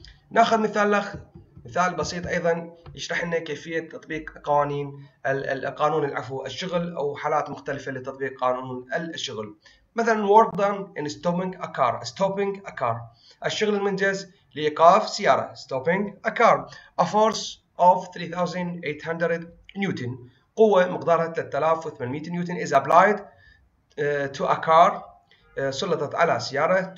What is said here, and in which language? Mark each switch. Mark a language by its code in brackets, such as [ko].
[ar] ناخذ مثال بسيط ايضا يشرح لنا كيفيه تطبيق قوانين القانون العفو الشغل، او حالات مختلفه لتطبيق قانون الشغل. [en] مثلا work done in stopping a car. stopping a car [ar] الشغل المنجز لايقاف سياره. [en] stopping a car a force of 3800 newton, [ar] قوه مقدارها 3800 نيوتن [en] is applied to a car، [ar] سلطت على سياره.